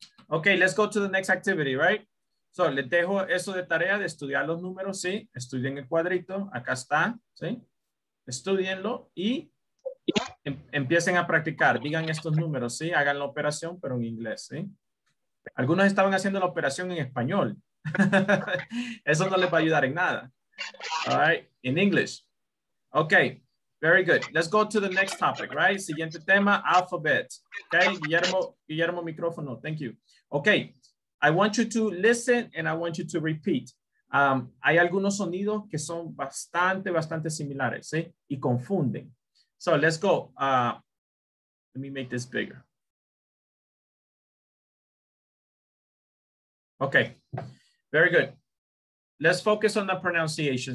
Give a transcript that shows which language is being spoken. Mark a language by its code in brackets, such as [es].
[en] Okay, let's go to the next activity, right? [es] So, les dejo eso de tarea de estudiar los números, ¿sí? Estudien el cuadrito, acá está, ¿sí? Estudienlo y empiecen a practicar. Digan estos números, ¿sí? Hagan la operación, pero en inglés, ¿sí? Algunos estaban haciendo la operación en español. Eso no les va a ayudar en nada. [en] All right, in English. Okay, very good. Let's go to the next topic, right? [es] Siguiente tema, [en] alphabet. Okay, Guillermo, micrófono. Thank you. Okay, I want you to listen and I want you to repeat. [es] Hay algunos sonidos que son bastante, bastante similares, ¿sí? Y confunden. [en] So let's go. Let me make this bigger. Okay, very good. Let's focus on the pronunciation.